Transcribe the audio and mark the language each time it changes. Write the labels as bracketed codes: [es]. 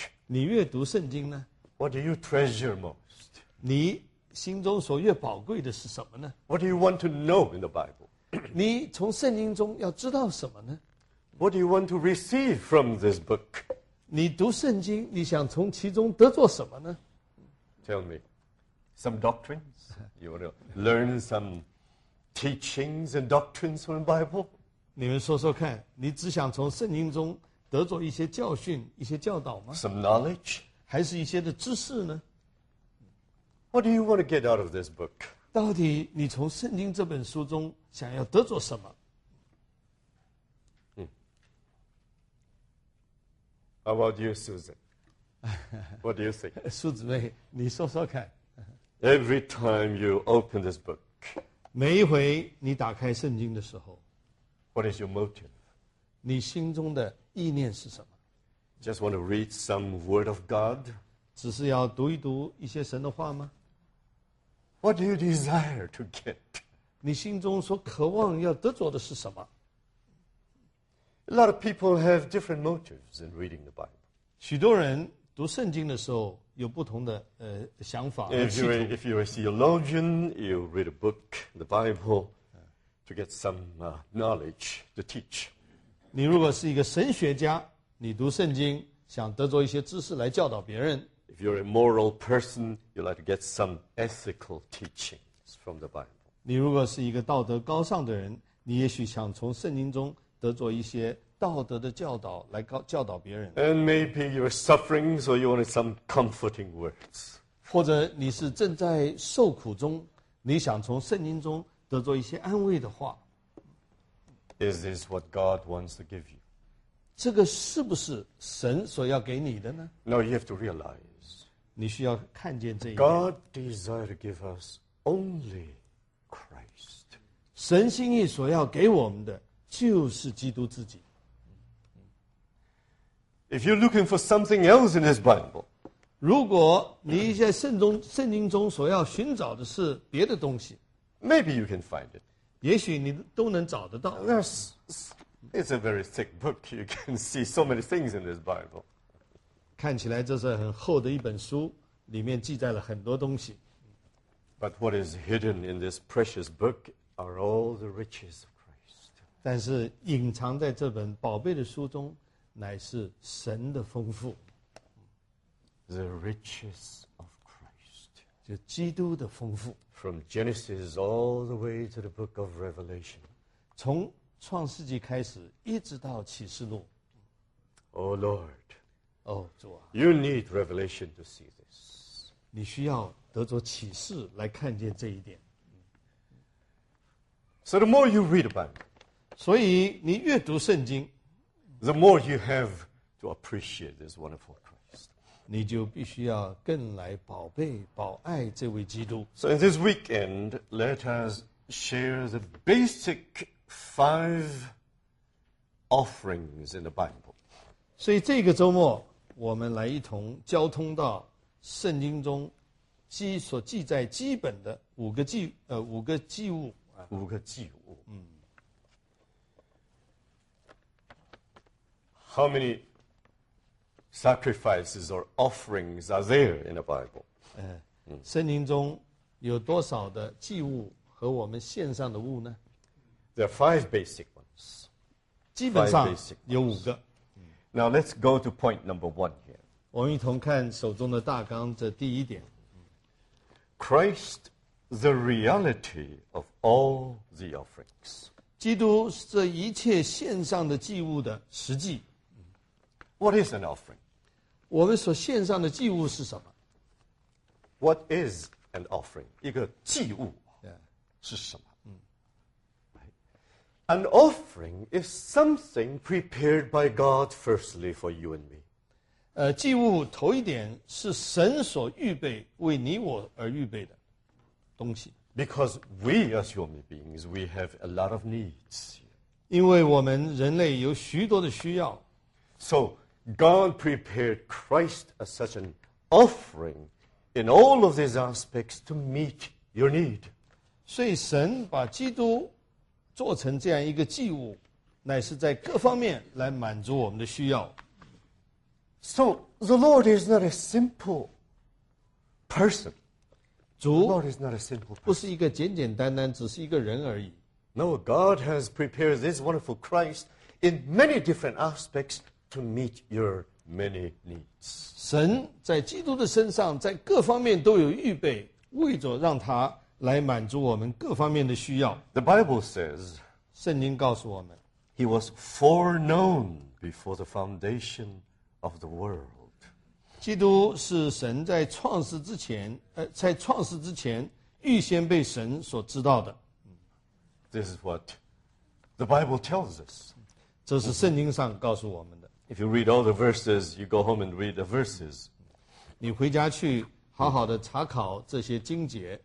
[zh] 你越读圣经呢？ [en] What do you treasure most? [zh] 你心中所越宝贵的是什么呢？ [en] What do you want to know in the Bible? [zh] 你从圣经中要知道什么呢？ [en] What do you want to receive from this book? [zh] 你读圣经，你想从其中得着什么呢？ [en] Tell me, some doctrines? You want to learn some teachings and doctrines from the Bible? [zh] 你们说说看，你只想从圣经中得着一些教训、一些教导吗？ [en] Some knowledge? [zh] 还是一些的知识呢？ [en] What do you want to get out of this book? [zh] 到底你从圣经这本书中想要得着什么？ [en] How about you, Susan? What do you think? [zh] 苏姊妹，你说说看。 [en] Every time you open this book, [zh] 每一回你打开圣经的时候， [en] What is your motive? [zh] 你心中的意念是什么？ [en] Just want to read some word of God? [zh] 只是要读一读一些神的话吗？ [en] What do you desire to get? [zh] 你心中所渴望要得着的是什么？ [en] A lot of people have different motives in reading the Bible. [zh] 许多人读圣经的时候有不同的想法。 [en] If you're a theologian, you read a book, the Bible, to get some knowledge to teach. [zh] 你如果是一个神学家，你读圣经想得着一些知识来教导别人。 [en] If you're a moral person, you like to get some ethical teaching from the Bible. [zh] 你如果是一个道德高尚的人，你也许想从圣经中得着一些道德的教导来教导别人。 [en] And maybe you're suffering, so you wanted some comforting words. [zh] 或者你是正在受苦中，你想从圣经中得着一些安慰的话。 [en] Is this what God wants to give you? [zh] 这个是不是神所要给你的呢？ [en] No, you have to realize. [zh] 你需要看见这一点。 [en] God desires to give us only Christ. [zh] 神心意所要给我们的就是基督自己。 [en] If you're looking for something else in this Bible, [zh] 如果你在圣经中所要寻找的是别的东西， [en] maybe you can find it. [zh] 也许你都能找得到。 [en] It's a very thick book. You can see so many things in this Bible. [zh] 看起来这是很厚的一本书，里面记载了很多东西。 [en] But what is hidden in this precious book are all the riches of Christ. [zh] 但是隐藏在这本宝贝的书中乃是神的丰富。 [en] The riches of Christ. [zh] 就基督的丰富。 [en] From Genesis all the way to the book of Revelation. [zh] 从创世纪开始一直到启示录。 [en] Oh Lord. [zh] Oh, 主啊。 [en] You need revelation to see this. [zh] 你需要得着启示来看见这一点。 [en] So the more you read about it, [zh] 所以你阅读圣经， [en] the more you have to appreciate this wonderful Christ. [zh] 你就必须要更来宝贝宝爱这位基督。 [en] So in this weekend, let us share the basic five offerings in the Bible. [zh] 所以这个周末我们来一同交通到圣经中所记载基本的五个祭物。五个祭物。 [en] How many sacrifices or offerings are there in the Bible? [zh] 圣经中有多少的祭物和我们献上的物呢？ [en] There are five basic ones. [zh] 基本上有五个。 [en] Now let's go to point number one here. [zh] 我们一同看手中的大纲的第一点。 [en] Christ, the reality of all the offerings. [zh] 基督是这一切献上的祭物的实际。 [en] What is an offering? [zh] 我们所献上的祭物是什么？ [en] What is an offering? [zh] 一个祭物是什么？ [en] An offering is something prepared by God firstly for you and me. [zh] 祭物头一点是神所预备为你我而预备的东西。 [en] Because we as human beings, we have a lot of needs. [zh] 因为我们人类有许多的需要。 [en] So,God prepared Christ as such an offering in all of these aspects to meet your need. [zh] 所以神把基督做成这样一个祭物，乃是在各方面来满足我们的需要。 [en] So the Lord is not a simple person. [zh] 主 [en] the Lord is not a simple person. [zh] 不是一个简简单单只是一个人而已。 [en] No, God has prepared this wonderful Christ in many different aspects. To meet your many needs. [zh] 神在基督的身上在各方面都有预备，为着让他来满足我们各方面的需要。 [en] The Bible says, [zh] 圣经告诉我们， [en] He was foreknown before the foundation of the world. [zh] 基督是神在创世之前预先被神所知道的。 [en] This is what the Bible tells us. [zh] 这是圣经上告诉我们的。 [en] If you read all the verses, you go home and read the verses. [zh] 你回家去好好的查考这些经节。